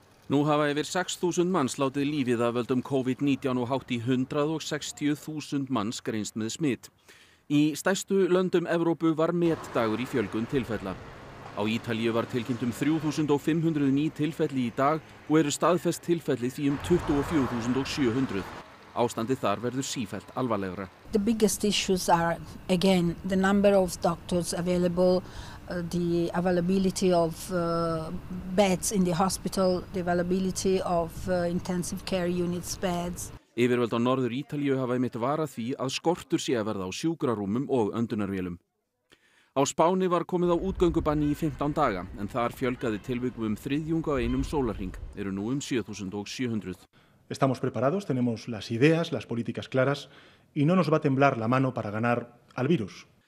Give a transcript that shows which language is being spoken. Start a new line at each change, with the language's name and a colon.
Icelandic: Nú hafa yfir 6.000 manns látið lífið af völdum COVID-19 og hátt í 160.000 manns greinst með smit. Í stærstu löndum Evrópu var metdagur í fjölgun tilfella. Á Ítalíu var tilkynnt 3.500 ný tilfelli í dag og eru staðfest tilfelli því 24.700. Ástandi þar verður sífellt alvarlegra.
English: The biggest issues are again the number of doctors available, the availability of beds in the hospital, the availability of intensive care units beds.
Icelandic: Yfirvöld á Norður Ítalíu hafa einmitt varað því að skortur sé að verða á sjúkrarúmum og öndunarvélum. Á Spáni var komið á útgöngubanni í 15 daga, en þar fjölgaði tilvikum þriðjung á einum sólarhring, eru nú 7.700.
Spanish: Estamos preparados, tenemos las ideas, las políticas claras y no nos va a temblar la mano para ganar al virus.